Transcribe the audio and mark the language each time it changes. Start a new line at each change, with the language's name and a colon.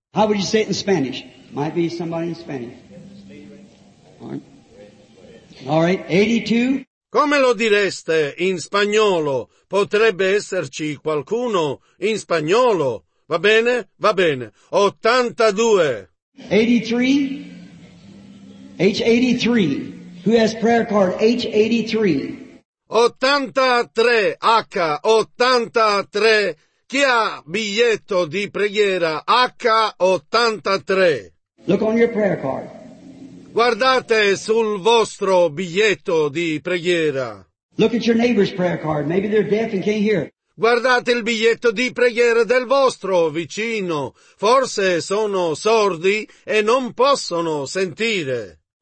English: How would you say it in Spanish? Might be somebody in Spanish. All right, 82.
Italian: Come lo direste in spagnolo? Potrebbe esserci qualcuno in spagnolo. Va bene? Va bene. 82.
English: 83. H83. Who has prayer card H83?
Italian: 83. H 83. Chi ha biglietto di preghiera H83?
English: Look on your prayer card.
Italian: Guardate sul vostro biglietto di preghiera.
English: Look at your neighbor's prayer card. Maybe they're deaf and can't hear.
Italian: Guardate il biglietto di preghiera del vostro vicino. Forse sono sordi e non possono sentire.